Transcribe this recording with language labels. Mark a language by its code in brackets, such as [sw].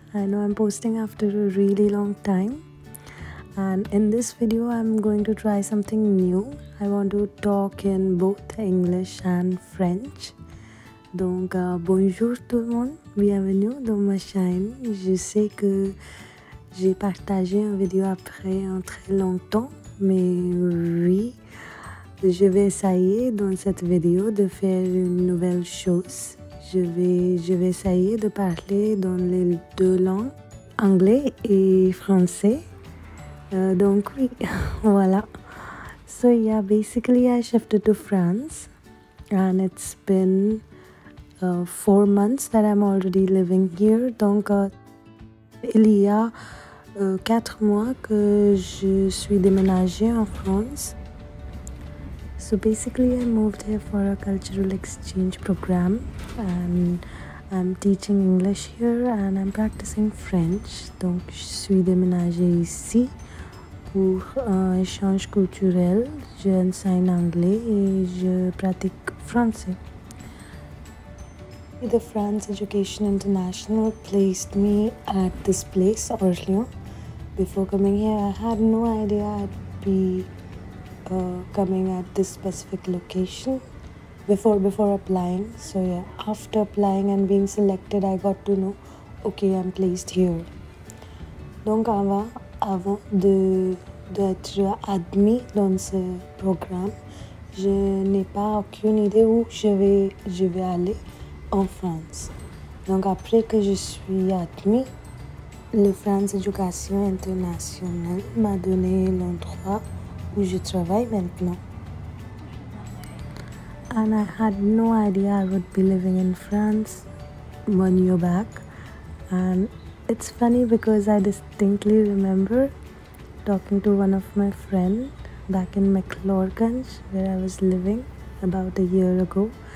[en] I know I'm posting after a really long time, and in this video I'm going to try something new. I want to talk in both English and French. [fr] Donc bonjour tout le monde, bienvenue dans ma chaîne. Je sais que j'ai partagé un vidéo après un très long temps, mais oui, je vais essayer dans cette vidéo de faire une nouvelle chose. Je vais essayer de parler dans les deux langues, anglais et français. Donc oui, voilà. [en] So yeah, basically I shifted to France and it's been 4 months that I'm already living here. [fr] Donc il y a 4 mois que je suis déménagée en France. [en] So basically I moved here for a cultural exchange program, and I'm teaching English here and I'm practicing French. [fr] Donc je suis déménagée ici pour un échange culturel. J'enseigne anglais et je pratique français. [en] The France Education International placed me at this place, Orléans. Before coming here I had no idea I'd be coming at this specific location before applying. So yeah, after applying and being selected, I got to know, okay, I'm placed here. [fr] Donc avant d'être admis dans ce programme, je n'ai pas aucune idée où je vais aller en France. Donc après que je suis admis, le France Education International m'a donné l'endroit où je travaille maintenant. [en] And I had no idea I would be living in France 1 year back. And it's funny because I distinctly remember talking to one of my friends back in McLaurganj, where I was living about a year ago.